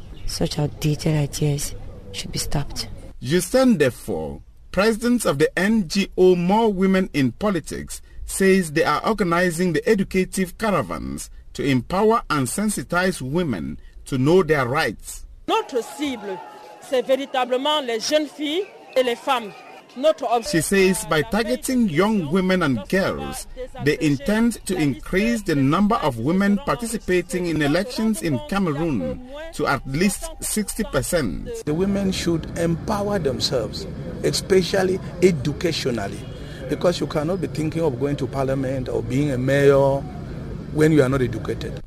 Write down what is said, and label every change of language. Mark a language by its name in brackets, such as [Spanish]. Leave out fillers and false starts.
[English] Such outdated ideas should be stopped. Justin Defoe, president of the NGO More Women in Politics, says they are organizing the educative caravans to empower and sensitize women to know their rights. [French] Notre cible, c'est véritablement les jeunes filles et les femmes. [English] She says by targeting young women and girls, they intend to increase the number of women participating in elections in Cameroon to at least 60%. The women should empower themselves, especially educationally, because you cannot be thinking of going to parliament or being a mayor when you are not educated.